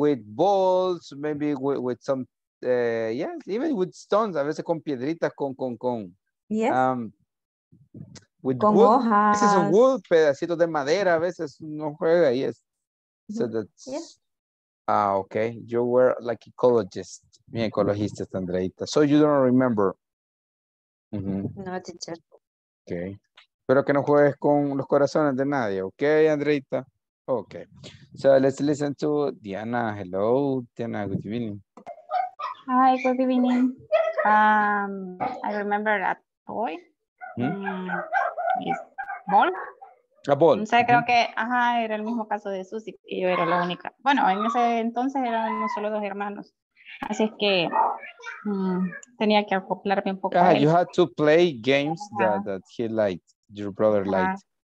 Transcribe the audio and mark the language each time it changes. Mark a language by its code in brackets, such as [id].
[en] With balls, maybe with some, yes, even with stones, [es] a veces con piedritas, con. [en] Yes. With [es] con [en] wood. [es] Hojas. [en] This is wood, [es] pedacitos de madera, a veces no juega, [en] yes. So that's, yes. Okay, you were like ecologist, [es] mi ecologista, [en] Andreita. So you don't remember. Mm-hmm. No, teacher. Okay. [es] Espero que no juegues con los corazones de nadie, okay, Andreita. [en] Okay. So let's listen to Diana. Hello, Diana, good evening. Hi, good evening. I remember that toy. Mm. Ball. A ball. [es] O sea, creo que, ajá, era el mismo caso de Susy y yo era la única. Bueno, en ese entonces eran solo dos hermanos. Así es que tenía que acoplarme un poco. [en] You had to play games that he liked, your brother liked.